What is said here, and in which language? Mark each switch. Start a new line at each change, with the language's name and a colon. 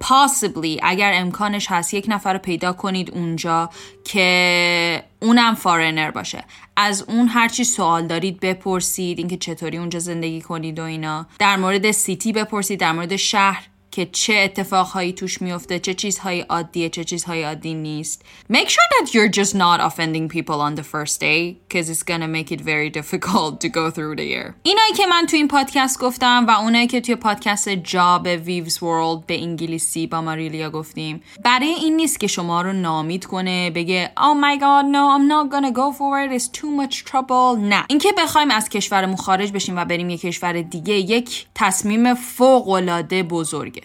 Persian: possibly اگر امکانش هست یک نفر رو پیدا کنید اونجا که اونم فارنر باشه، از اون هرچی سوال دارید بپرسید، اینکه چطوری اونجا زندگی کنید و اینا، در مورد سیتی بپرسید، در مورد شهر که چه اتفاقهایی توش میفته، چه چیزهای عادیه، چه چیزهای عادی نیست.
English: Make sure that you're just not offending people on the first day because it's gonna make it very difficult to go through the year.
Persian: اینایی که من تو این پادکست گفتم و اونایی که توی پادکست جاب ویوز ورلد به انگلیسی با ماریلیا گفتیم، برای این نیست که شما رو نامید کنه، بگه
English: Oh my god no I'm not gonna go forward it's too much trouble.
Persian: نه، این که بخوایم از کشورمون خارج بشیم و بریم یک کشور دیگه یک تصمیم فوق‌العاده بزرگ.